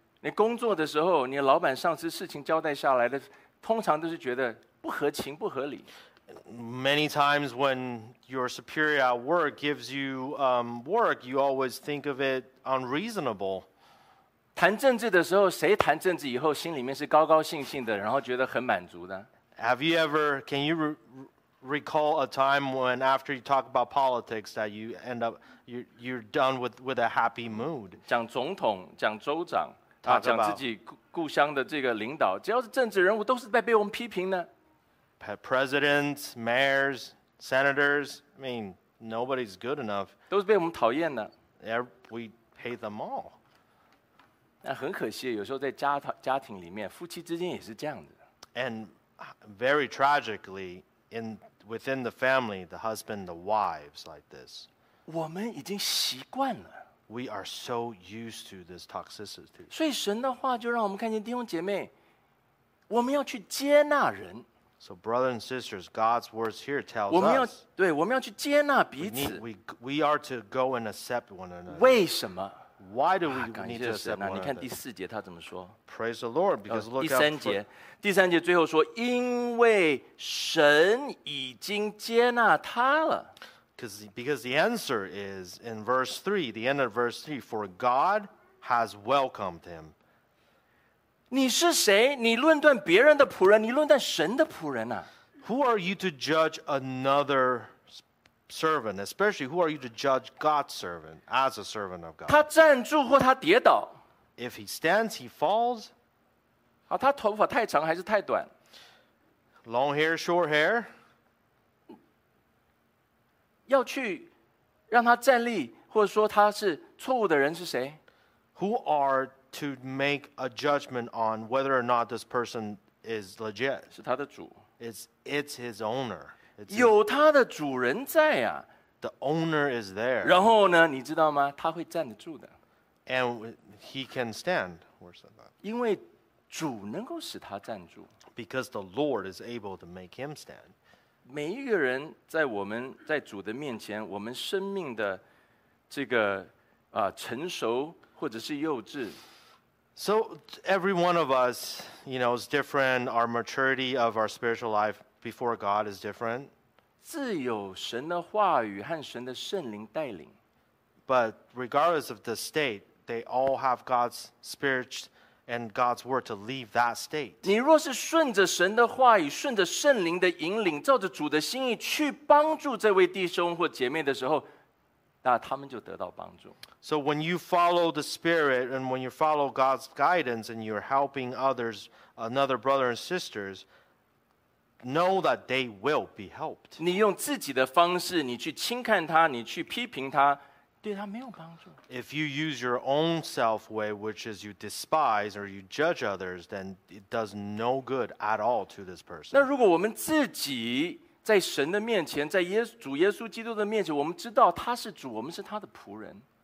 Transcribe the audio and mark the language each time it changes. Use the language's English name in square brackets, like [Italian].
[Chinese] 你工作的时候，你老板上司事情交代下来的，通常都是觉得不合情不合理。 [English] Many times when your superior at work gives you work, you always think of it unreasonable. [Chinese] 谈政治的时候，谁谈政治以后心里面是高高兴兴的，然后觉得很满足的？ [English] Have you ever? Can you recall a time when after you talk about politics that you end up you're done with a happy mood. [Chinese] 讲总统，讲州长，啊，讲自己故乡的这个领导，只要是政治人物，都是在被我们批评呢。 [English] Presidents, mayors, senators, I mean, nobody's good enough. [Chinese] 都是被我们讨厌的。 [English] We hate them all. [Chinese] 那很可惜，有时候在家庭里面，夫妻之间也是这样的。 [English] And very tragically, within the family, the husband, the wives like this. [Chinese] 我们已经习惯了。 [English] We are so used to this toxicity. [Chinese] 所以神的话就让我们看见弟兄姐妹，我们要去接纳人。 [English] So brothers and sisters, God's words here tell us [Chinese] 对，我们要去接纳彼此。 [English] We are to go and accept one another. [Chinese] 为什么？ [English] Why do we need to accept one another? [Chinese] 你看第四节他怎么说？ [English] Praise the Lord, because look at [Chinese] 第三节最后说，因为神已经接纳他了。 [English] Because the answer is in verse 3, the end of verse 3, for God has welcomed him. [Chinese] 你是谁？你论断别人的仆人，你论断神的仆人啊。 [English] Who are you to judge another servant, especially who are you to judge God's servant as a servant of God? [Chinese] 他站住或他跌倒。 [English] If he stands, he falls. [Chinese] 啊，他头发太长还是太短？ [English] Long hair, short hair. [Chinese] 要去让他站立，或者说他是错误的人是谁？ [English] Who are to make a judgment on whether or not this person is legit? [Chinese] 是他的主。 [English] It's his owner. [Chinese] 有他的主人在啊。 [English] The owner is there. [Chinese] 然后呢，你知道吗？他会站得住的。 [English] And he can stand. [Chinese] 因为主能够使他站住。 [English] Because the Lord is able to make him stand. [Chinese] 每一个人在我们在主的面前，我们生命的这个成熟或者是幼稚。 [English] So every one of us, you know, is different. Our maturity of our spiritual life. Before God is different. [Chinese] 自有神的话语和神的圣灵带领。 [English] But regardless of the state, they all have God's spirit and God's word to leave that state. [Chinese] 你若是顺着神的话语，顺着圣灵的引领，照着主的心意去帮助这位弟兄或姐妹的时候，那他们就得到帮助。 [English] So when you follow the spirit and when you follow God's guidance and you're helping others, another brother and sisters,Know that they will be helped. [Chinese] 你用自己的方式，你去轻看他，你去批评他，对他没有帮助。 [English] If you use your own self way, which is you despise or you judge others, then it does no good at all to this person. [Chinese] 那如果我们自己在神的面前，在主耶稣基督的面前，我们知道他是主，我们是他的仆人。